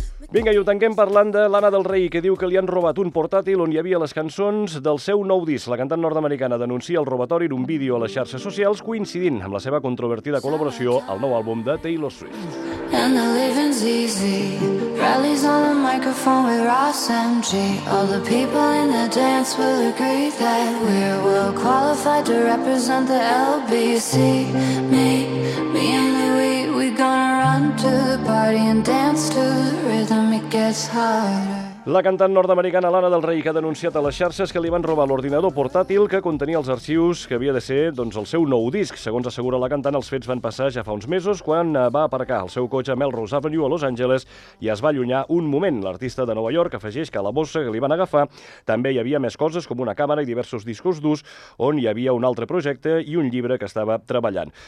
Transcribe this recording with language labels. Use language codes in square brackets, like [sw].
[ca] Vinga, i ho tanquem parlant de l'Anna del Rey, que diu que li han robat un portàtil on hi havia les cançons del seu nou disc. La cantant nord-americana denuncia el robatori en un vídeo a les xarxes socials, coincidint amb la seva controvertida col·laboració al nou àlbum de Taylor Swift. [en] And the living's easy. Rallies on the microphone with Ross MG. All the people in the dance will agree that we're well qualified to represent the LBC. Me and Louis, we're gonna run to the party and dance to the rhythm, it gets harder. [ca] La cantant nord-americana Lana Del Rey, que ha denunciat a les xarxes que li van robar l'ordinador portàtil que contenia els arxius que havia de ser, doncs, el seu nou disc. Segons assegura la cantant, els fets van passar ja fa uns mesos quan va aparcar el seu cotxe a Melrose Avenue a Los Angeles i es va allunyar un moment. L'artista de Nova York afegeix que a la bossa que li van agafar també hi havia més coses, com una càmera i diversos discos durs, on hi havia un altre projecte i un llibre que estava treballant.